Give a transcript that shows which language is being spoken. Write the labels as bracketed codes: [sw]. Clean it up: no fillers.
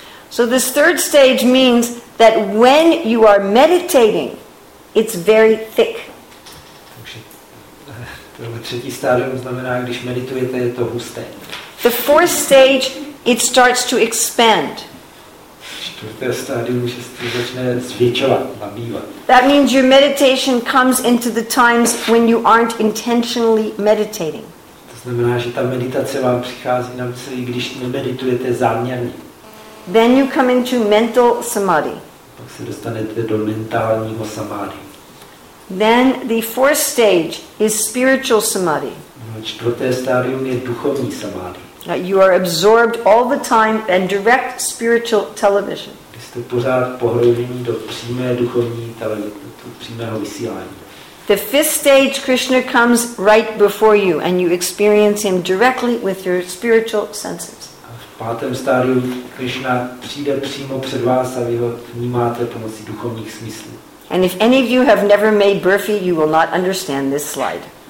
[en] So this third stage means that when you are meditating, it's very thick. [cs] Takže třetí stádium znamená, když meditujete, je to husté. [en] The fourth stage, it starts to expand. [cs] Čtvrté stádium, že se začne zvětšovat, nabývat. [en] That means your meditation comes into the times when you aren't intentionally meditating. [cs] Znamená, že ta meditace vám přichází na mysli, když nemeditujete záměrně. [en] Then you come into mental samadhi. [cs] Pak se dostanete do mentálního samadhi. [en] Then the fourth stage is spiritual samadhi. [cs] No, čtvrté stádium je duchovní samadhi. [en] You are absorbed all the time and direct spiritual television. [cs] Jste pořád pohroužení do přímé duchovní televize, do přímého vysílání. [en] The fifth stage, Krishna comes right before you and you experience him directly with your spiritual senses. [cs] V pátém stádiu Krishna přijde přímo před vás a vy ho vnímáte pomocí duchovních smyslů. [en] And if any of you have never made burfi, you will not understand this slide.